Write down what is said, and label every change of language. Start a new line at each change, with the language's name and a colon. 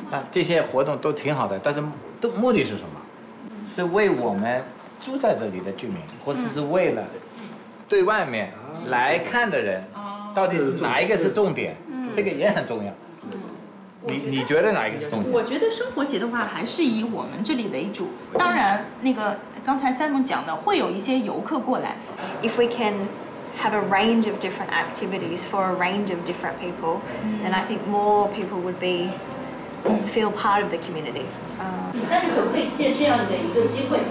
Chinese: 这些活动都挺好的，但是都目的是什么？是为我们住在这里的居民，或者是为了对外面来看的人，到底是哪一个是重点？这个也很重要。你觉得哪一个是重点？我觉得生活节的话，还是以我们这里为主。当然，那个刚才Simon讲的，会有一些游客过来。
English: If we can have a range of different activities for a range of different people, then I think more people would be. Feel part of the community.
Chinese: 但是可不可以借这样的一个机会？